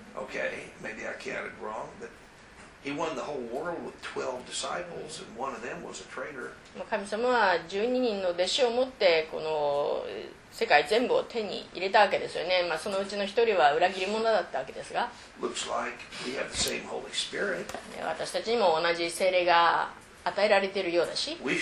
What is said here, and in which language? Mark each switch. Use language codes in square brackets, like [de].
[en] Okay, maybe I counted wrong, but he won the whole world with 12 disciples, and one of them was a traitor. [ja] 神様は12人の弟子を持ってこの世界全部を手に入れたわけですよね。まあ、そのうちの一人は裏切り者だったわけですが。 [en] Looks like we have the same Holy Spirit. [ja] 私たちにも同じ聖霊が与えられているようだし、